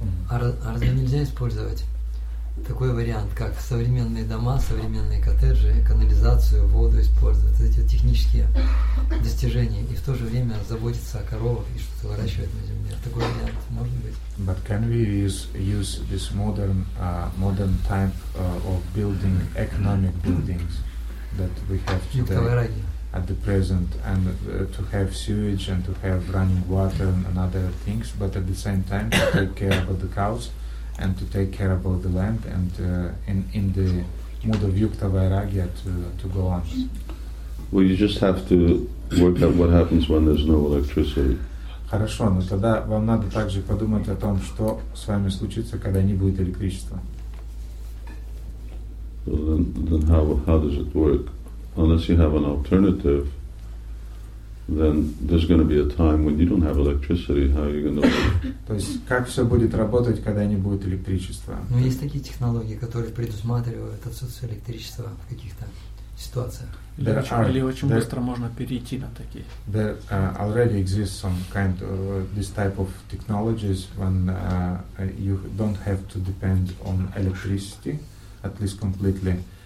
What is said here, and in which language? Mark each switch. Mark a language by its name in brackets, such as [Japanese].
[Russian] А разве нельзя использовать такой вариант, как современные дома, современные коттеджи, канализацию, воду использовать, эти технические достижения, и в то же время заботиться о коровах и что-то выращивать на земле? Такой вариант может быть? [English] But can we use this modern type of building, economic buildings that we have today? At the present, and to have sewage and to have running water and other things, but at the same time to take care about the cows and to take care about the land and in the mood of Yukta Vairagya to go on. Well, you just have to work out what happens when there's no electricity. [Russian] Хорошо, но тогда вам надо также подумать о том, что с вами случится, когда не будет электричества. [English] Well, then how does it work? Unless you have an alternative, then there's going to be a time when you don't have electricity. How are you going to live? [Russian] То есть как все будет работать, когда не будет электричества? Но есть такие технологии, которые предусматривают отсутствие электричества в каких-то ситуациях. Или очень быстро можно перейти на такие. [English] There already exists some kind of this type of technologies when you don't have to depend on electricity, at least completely.